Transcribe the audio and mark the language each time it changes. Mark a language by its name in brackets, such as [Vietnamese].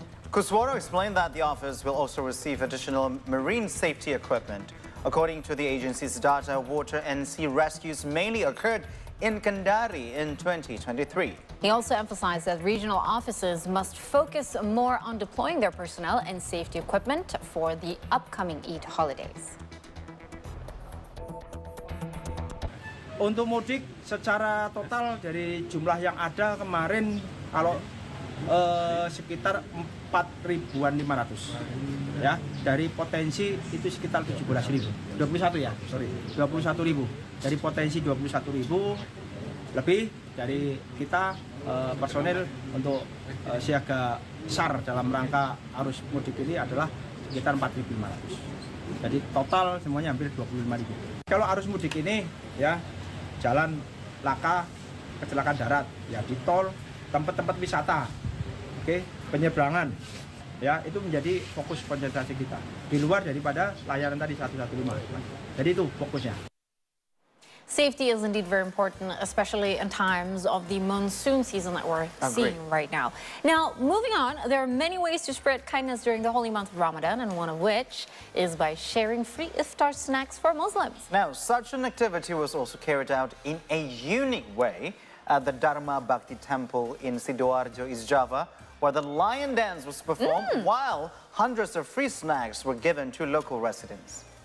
[English] Kusworo explained that the office will also receive additional marine safety equipment. According to the agency's data, water and sea rescues mainly occurred in Kendari in 2023. He also emphasized that regional offices must focus more on deploying their personnel and safety equipment for the upcoming Eid holidays. [Indonesian] Untuk mudik secara total dari jumlah yang ada kemarin kalau sekitar 4.500 ya, dari potensi itu sekitar 17.000. 21 ya, sorry, 21.000. Dari potensi 21.000 lebih dari kita personel untuk siaga SAR dalam rangka arus mudik ini adalah sekitar 4.500. Jadi total semuanya hampir 25.000. Kalau arus mudik ini ya, jalan laka, kecelakaan darat, ya di tol, tempat-tempat wisata, oke, penyeberangan, ya itu menjadi fokus konsentrasi kita. Di luar daripada layanan tadi 115, jadi itu fokusnya. [English] Safety is indeed very important, especially in times of the monsoon season that we're seeing right now. Now, moving on, there are many ways to spread kindness during the holy month of Ramadan, and one of which is by sharing free iftar snacks for Muslims. Now, such an activity was also carried out in a unique way at the Dharma Bhakti Temple in Sidoarjo, East Java, where the lion dance was performed while hundreds of free snacks were given to local residents.